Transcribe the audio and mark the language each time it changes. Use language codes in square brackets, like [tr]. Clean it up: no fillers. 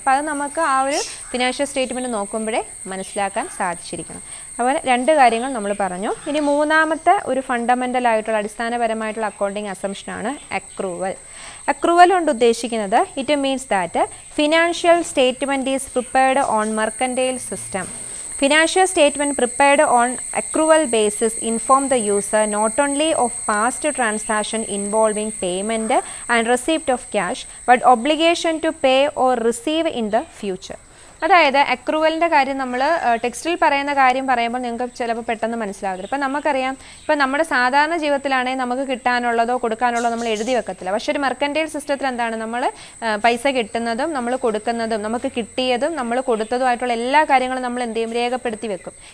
[ml] അപ്പോൾ അത് നമുക്ക് ആ ഒരു ഫിനാൻഷ്യൽ സ്റ്റേറ്റ്മെൻറ്റ് നോക്കുമ്പോഴേ മനസ്സിലാക്കാൻ സാധിച്ചിരിക്കണം. അതുപോലെ രണ്ട് കാര്യങ്ങൾ നമ്മൾ പറഞ്ഞു. ഇനി മൂന്നാമത്തെ ഒരു ഫണ്ടമെൻ്റൽ ആയിട്ടുള്ള അടിസ്ഥാനപരമായിട്ടുള്ള അക്കൗണ്ടിംഗ് അസംപ്ഷനാണ് അക്രൂവൽ. അക്രൂവൽ കൊണ്ട് ഉദ്ദേശിക്കുന്നത് [en] It means that financial statement is prepared on mercantile system. Financial statement prepared on accrual basis inform the user not only of past transaction involving payment and receipt of cash, but obligation to pay or receive in the future. [ml] അതായത് അക്രൂവലിൻ്റെ കാര്യം നമ്മൾ ടെക്സ്റ്റിൽ പറയുന്ന കാര്യം പറയുമ്പോൾ നിങ്ങൾക്ക് ചിലപ്പോൾ പെട്ടെന്ന് മനസ്സിലാകരുത്. ഇപ്പം നമുക്കറിയാം, ഇപ്പം നമ്മുടെ സാധാരണ ജീവിതത്തിലാണെങ്കിൽ നമുക്ക് കിട്ടാനുള്ളതോ കൊടുക്കാനുള്ളതോ നമ്മൾ എഴുതി വെക്കത്തില്ല. പക്ഷേ ഒരു മെർക്കന്റൈൽ സിസ്റ്റത്തിൽ എന്താണ്, നമ്മൾ പൈസ കിട്ടുന്നതും നമ്മൾ കൊടുക്കുന്നതും നമുക്ക് കിട്ടിയതും നമ്മൾ കൊടുത്തതുമായിട്ടുള്ള എല്ലാ കാര്യങ്ങളും നമ്മൾ എന്ത് ചെയ്യും, രേഖപ്പെടുത്തി വെക്കും.